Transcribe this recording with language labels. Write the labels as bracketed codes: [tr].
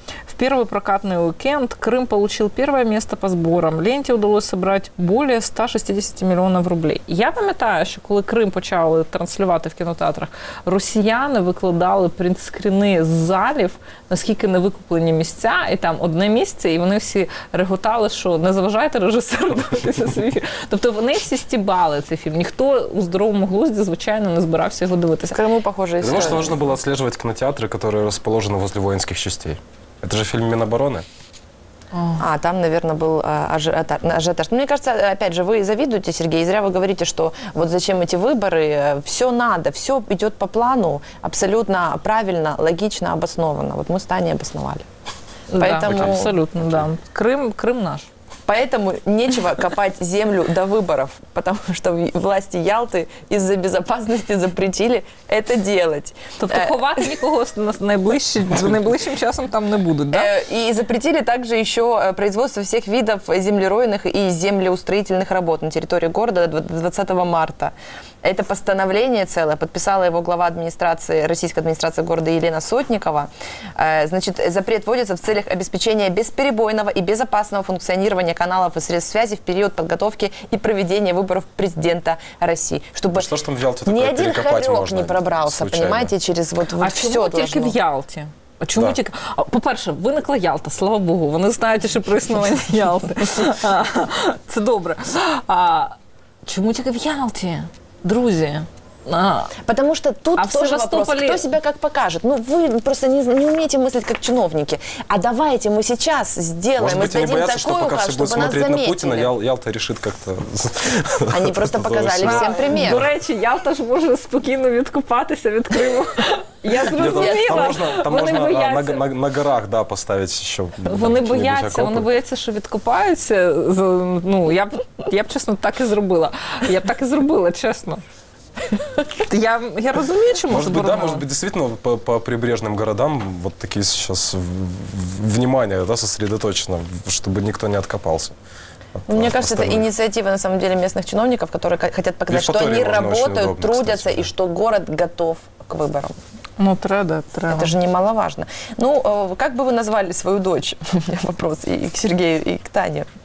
[ru] В первый прокатный уикенд Крым получил первое место по сборам. Ленте удалось собрать более 160 миллионов рублей. [uk] Я пам'ятаю, що коли Крим почали транслювати в кінотеатрах, росіяни викладали принтскріни з залів, наскільки не викуплені місця, і там одне місце, і вони всі реготали, що не заважайте режисеру дивитися свій фільм. Тобто вони всі стібали цей фільм. Ніхто у здоровому глузді, звичайно, не збирався його дивитися. В Криму похоже історія. Тому що можна було відслежувати кінотеатри, які розположені возле воїнських частей. [ru] Это же фильм Минобороны. А, там, наверное, был ажиотаж. Но мне кажется, опять же, вы завидуете, Сергей, и зря вы говорите, что вот зачем эти выборы, все надо, все идет по плану, абсолютно правильно, логично, обоснованно. Вот мы с Таней обосновали. Поэтому... Да, абсолютно, да. Крым наш. Поэтому нечего копать землю до выборов, потому что власти Ялты из-за безопасности запретили это делать. [uk] Тобто ховать никого в найближчим часом там не будут, да? [ru] И запретили также еще производство всех видов землеройных и землеустроительных работ на территории города 20 марта. Это постановление целое, подписала его глава администрации, российской администрации города Елена Сотникова. Значит, запрет вводится в целях обеспечения бесперебойного и безопасного функционирования каналов и средств связи в период подготовки и проведения выборов президента России. Чтобы что ж там в Ялте ни один хорек не пробрался, случайно. Понимаете, через вот все должно. А только в Ялте? [uk] А чому тільки? По-перше, виникла Ялта, слава Богу, вони знають, що про існування Ялти. Це добре. А чому тільки в Ялті? Друзі. [ru] Потому что тут тоже вопрос, кто себя как покажет. Ну, вы просто не умеете мыслить как чиновники. А давайте мы сейчас сделаем, может быть, и сдадим такой указ, чтобы нас заметили. Смотреть на Путина, Ялта решит как-то... Они просто показали всем пример. [uk] До речи, [ru] Ялта же может спокойно откупаться от Крыма. [uk] Я зрозуміла. Там можна на горах, да, поставити ще. Вони бояться, що відкупаються. Ну, я б чесно так і зробила. Я б так і зробила, чесно. Я розумію, чому може бути, да, може бути, дійсно, по прибережним городам вот такі зараз внимание, да, сосредоточено, щоб ніхто не відкопався. [ru] Мне кажется, это инициатива, на самом деле, местных чиновников, которые хотят показать, что они работают, трудятся и что город готов к выборам. [uk] Ну, треба. [ru] Это же немаловажно. Ну, как бы вы назвали свою дочь? У меня вопрос и к Сергею, и к Тане.